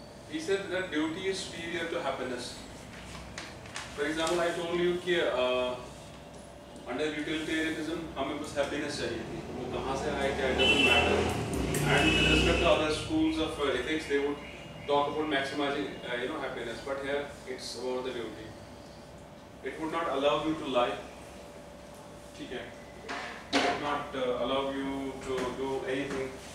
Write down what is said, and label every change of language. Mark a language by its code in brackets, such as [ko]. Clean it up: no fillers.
[en] He said that duty is superior to happiness. For example, I told you कि under utilitarianism [hi] हमें बस happiness चाहिए थी. वो कहाँ से आए क्या? [en] It doesn't matter. And with respect to other schools of ethics, they would talk about maximizing happiness. But here it's about the duty. It would not allow you to lie. [hi] ठीक है. [en] It would not allow you to do anything.